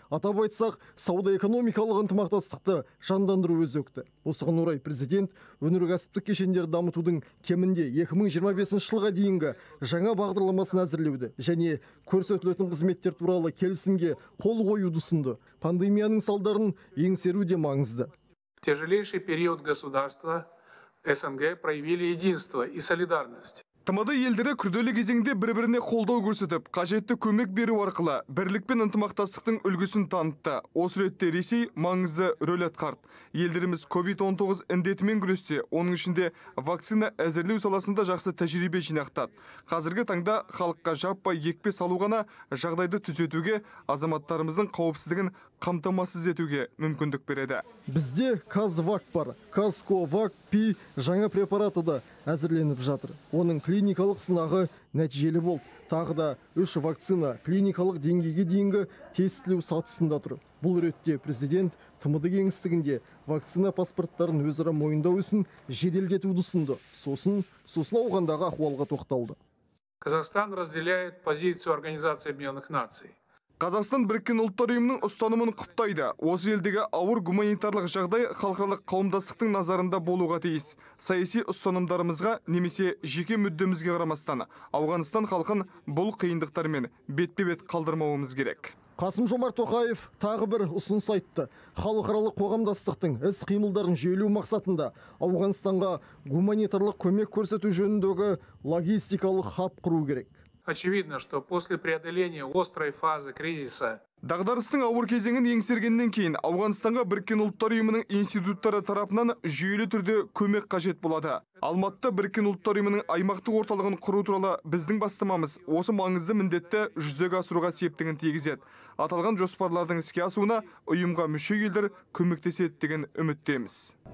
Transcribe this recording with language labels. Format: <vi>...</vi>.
<kk>Атап айтсақ, сауда-экономикалық ынтымақтастықты жандандыру өзекті. Осыған орай президент өнеркәсіптік кешендерді дамытудың кемінде 2025 жылға дейінгі жаңа бағдарламасын әзірлеуді және көрсетілетін қызметтер туралы келісімге қол қоюды ұсынды. Пандемияның салдарын еңсеру де маңызды.</kk> <ru>Тяжелейший период государства СНГ проявили единство и солидарность.</ru> <kk>ТМД елдері күрделі кезеңде бір-біріне қолдау көрсетіп, қажетті көмек беру арқылы бірлік пен ынтымақтастықтың үлгісін танытты. Осы ретте Ресей маңызды рөл атқарды. Елдеріміз COVID-19 індетімен күресте, оның ішінде вакцина әзірлеу саласында жақсы тәжірибе жинақтады. Қазіргі таңда халыққа жаппай екпе салу ғана жағдайды түзетуге, азаматтарымыздың қауіпсіздігін қамтамасыз етуге мүмкіндік береді. Бізде Казвак бар. Казковак пи жаңа препараты да әзірленіп жатыр. Оның клиникалық сынағы нәтижелі болды. Тағы да үш вакцина клиникалық деңгейге дейінгі тестілеу сатысында тұр. Бұл ретте президент ТМД кеңістігінде вакцина паспорттарын өзара мойындау үшін жеделдетуді ұсынды. Сосын Ауғандағы ахуалға тоқталды.</kk> <ru>Қазақстан разделяет позицию Организации Объединенных Наций.</ru> <kk>Қазақстан біріккен ұлттар ұйымының ұстанымын құптайды. Осы елдегі ауыр гуманитарлық жағдай халықаралық қауымдастықтың назарында болуға тиіс. Саяси ұстанымдарымызға немесе жеке мүддемізге қарамастан, Ауғанстан халқын бұл қиындықтармен бетпе-бет қалдырмауымыз керек. Қасым Жомарт Тоқаев тағы бір ұсыныс айтты. Халықаралық қоғамдастықтың іс-қимылдарын жүйелеу мақсатында Ауғанстанға гуманитарлық көмек көрсету жөніндегі логистикалық хаб құру керек.</kk> <ru>Очевидно, что после преодоления острой фазы кризиса</ru> <kk>дағдарыстың ауыр кезеңін еңсергеннен кейін Ауғанстанға Біріккен Ұлттар Ұйымының институттары тарапынан жүйелі түрде көмек қажет болады. Алматыда Біріккен Ұлттар Ұйымының аймақтық орталығын құру туралы біздің бастамамыз осы маңызды міндетті жүзеге асыруға септігін тигізеді. Аталған жоспарлардың іске асуына ұйымға мүше елдер көмектеседі деген үміттеміз.</kk>